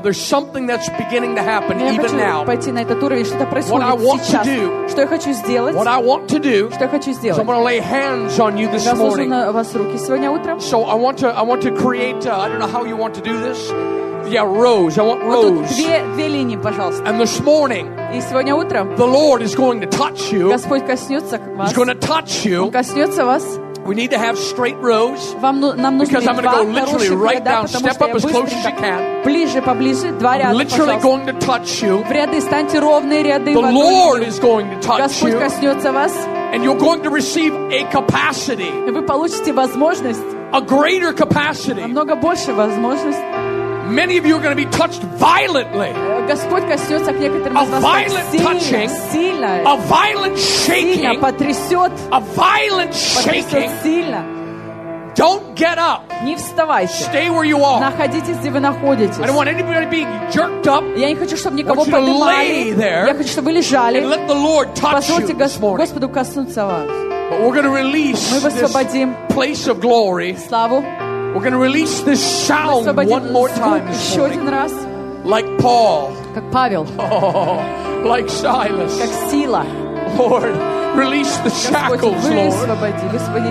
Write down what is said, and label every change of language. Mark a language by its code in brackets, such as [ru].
[en] There's something that's beginning to happen even now. [ru] Пойти на этот уровень, что-то происходит сейчас. Что я хочу сделать? [en] What I want to do. [ru] Что я хочу сделать? [en] I'm going to lay hands on you this morning. [ru] Я возложу на вас руки сегодня утром. [en] So I want to create. I don't know how you want to do this. Yeah, rows. I want rows. [ru] Две линии, пожалуйста. [en] And this morning, [ru] и сегодня утром, [en] the Lord is going to touch you. [ru] Господь коснется вас. [en] He's going to touch you. [ru] Он коснется вас. [en] We need to have straight rows. [ru] Вам, нам нужно [en] because I'm going to go literally right down, step up as close as you can. [ru] Ближе, поближе, два ряда, [en] I'm literally [ru] пожалуйста. [en] Going to touch you. [ru] В ряды, станьте ровные ряды. [en] The Lord is going to touch [ru] Господь [en] you. [ru] Господь коснется вас. [en] And you're going to receive a capacity. [ru] И вы получите возможность. [en] A greater capacity. [ru] Намного больше возможность. [en] Many of you are going to be touched violently. [ru] Господь коснется к некоторым из вас. [en] A violent touching. [ru] Сильно. [en] A violent shaking. [ru] Сильно потрясет. [en] A violent shaking. [ru] Сильно. [en] Don't get up. [ru] Не вставайте. [en] Stay where you are. [ru] Находитесь, где вы находитесь. [en] I don't want anybody being jerked up. [ru] Я не хочу, чтобы никого поднимали. Я хочу, чтобы вы лежали. [en] And let the Lord touch you. [ru] Позвольте Господу коснуться вас. [en] But we're going to release this place of glory. [ru] Славу. [en] We're going to release this sound one more time this morning. Like Paul. [ru] Как Павел. [en] Like Silas. [ru] Как Сила. [en] Lord, release the shackles, Lord.